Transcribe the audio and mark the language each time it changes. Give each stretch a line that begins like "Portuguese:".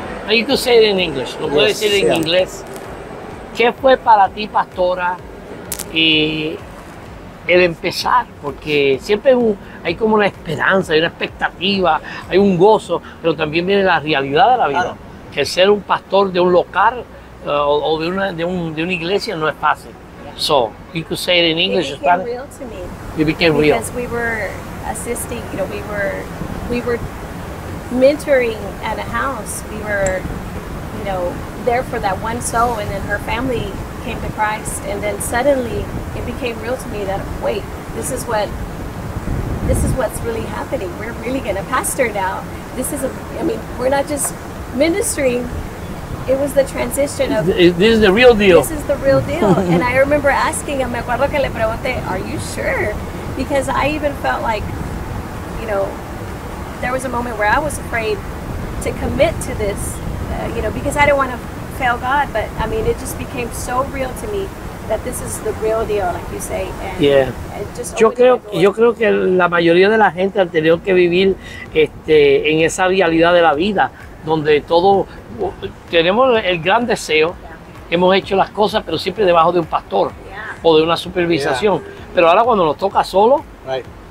English: You can say it in English.
Spanish: Lo puedo decir en inglés. ¿Qué fue para ti, pastora, el empezar? Porque siempre hay como una esperanza, hay una expectativa, hay un gozo, pero también viene la realidad de la vida. Claro. Que ser un pastor de un local o de una iglesia no es fácil.
English: Yeah. So, you can say it in English. It became real to me. It became because real. Because we were assisting, you know, we were mentoring at a house. We were, you know, there for that one soul, and then her family came to Christ, and then suddenly it became real to me that, wait, this is what's really happening. We're really gonna pastor now. We're not just ministering. It was the transition of this is the real deal. And I remember asking,
Spanish: me acuerdo que le pregunté,
English: are you sure? Because I even felt like, you know, there was a moment where I was afraid to commit to this, you know, because I didn't want to fail God. But I mean, it just became so real to me that this is the real deal, like you say. And yeah.
Spanish: Yo creo que la mayoría de la gente ha tenido que vivir en esa realidad de la vida, donde todo tenemos el gran deseo, yeah. Hemos hecho las cosas, pero siempre debajo de un pastor, yeah. O de una supervisación. Yeah. Pero ahora cuando nos toca solo, right.